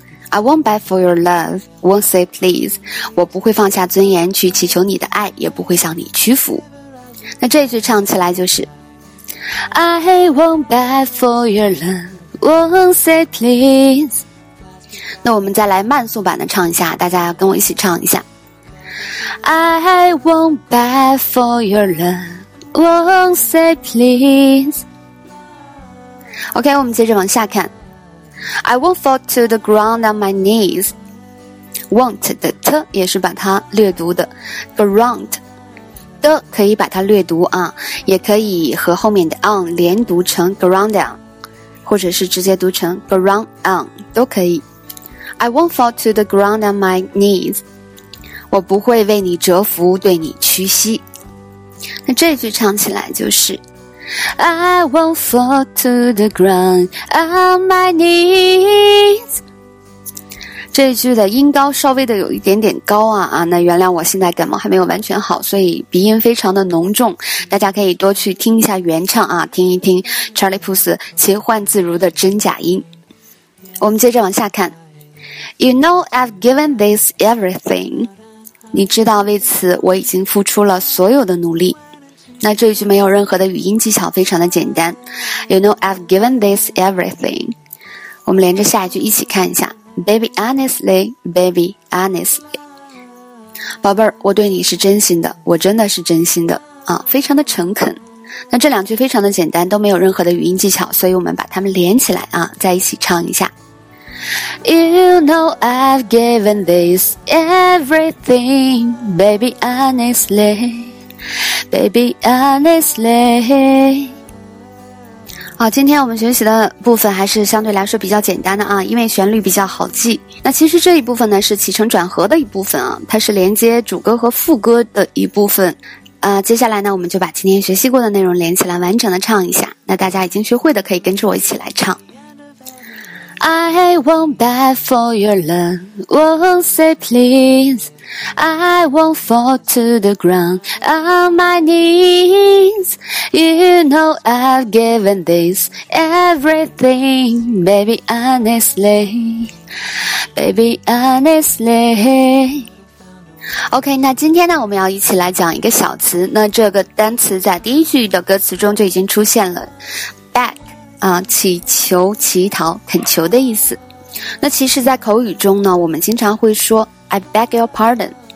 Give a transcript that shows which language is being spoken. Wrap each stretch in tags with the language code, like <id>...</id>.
<en>I won't beg for your love, won't say please.</en> <zh>我不会放下尊严去祈求你的爱，也不会向你屈服。那这句唱起来就是</zh> <en>I won't beg for your love, won't say please.</en> <zh>那我们再来慢速版的唱一下，大家跟我一起唱一下。</zh> <en>I won't beg for your love, won't say please.</en> <zh>OK, 我们接着往下看。</zh> <en>I won't fall to the ground on my knees.</en> <zh>Won't 的 t 也是把它略读的 ground 的可以把它略读啊，也可以和后面的 on 连读成</zh> <en>ground on，</en> <zh>或者是直接读成 ground on 都可以。</zh> <en>I won't fall to the ground on my knees.</en> <zh>我不会为你折服，对你屈膝。那这句唱起来就是。</zh> <en>I won't fall to the ground on my knees.</en> <zh>这句的音高稍微的有一点点高啊啊！那原谅我现在感冒还没有完全好，所以鼻音非常的浓重。大家可以多去听一下原唱啊，听一听 Charlie Puth 切换自如的真假音。我们接着往下看。</zh> <en>You know I've given this everything.</en> <zh>你知道为此我已经付出了所有的努力。那这一句没有任何的语音技巧，非常的简单。</zh> <en>You know I've given this everything.</en> <zh>我们连着下一句一起看一下。</zh> <en>Baby honestly, baby honestly.</en> <zh>宝贝儿，我对你是真心的，我真的是真心的啊，非常的诚恳。那这两句非常的简单，都没有任何的语音技巧，所以我们把它们连起来啊，再一起唱一下。</zh> <en>You know I've given this everything, baby honestly. Baby, honestly.</en> <zh>好，今天我们学习的部分还是相对来说比较简单的啊，因为旋律比较好记。那其实这一部分呢是起承转合的一部分啊，它是连接主歌和副歌的一部分。接下来呢，我们就把今天学习过的内容连起来完整的唱一下。那大家已经学会的可以跟着我一起来唱。</zh> <en>I won't beg for your love, won't say please. I won't fall to the ground on my knees. You know I've given this everything, baby honestly, baby honestly.</en> <zh>OK, 那今天呢我们要一起来讲一个小词。那这个单词在第一句的歌词中就已经出现了。 Beg祈求、乞讨、恳求的意思。那其实在口语中呢，我们经常会说</zh> <en>I beg your pardon。</en>